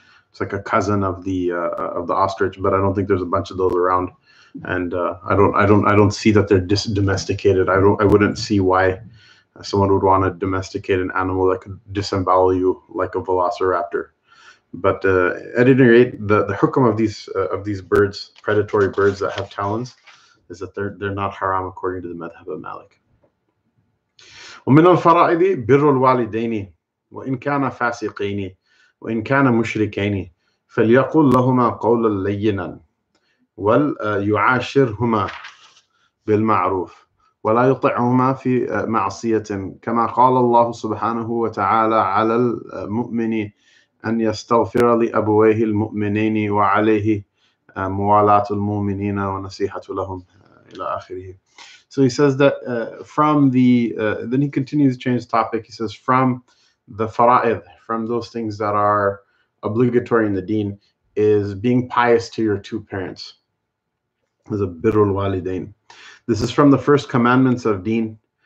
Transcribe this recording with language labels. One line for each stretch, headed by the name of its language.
English: It's like a cousin of the ostrich, but I don't think there's a bunch of those around, and I don't see that they're domesticated. I wouldn't see why someone would want to domesticate an animal that could disembowel you like a velociraptor. But at any rate, the hukum of these birds, predatory birds that have talons, is that they're not haram according to the madhab of Malik.
Arabic: ومن الفرائض بر الوالدين وإن كان فاسقين وإن كان مشركين فليقول لهما قولا لينا وليعاشرهما بالمعروف ولا يطعهما في معصية كما قال الله سبحانه وتعالى على المؤمن أن يستغفر لأبويه المؤمنين وعليه موالاة المؤمنين ونصيحة لهم إلى آخره.
English: So he says that from the, then he continues to change the topic. He says from the fara'id, from those things that are obligatory in the deen, is being pious to your two parents. This is a birrul walidain. This is from the first commandments of deen.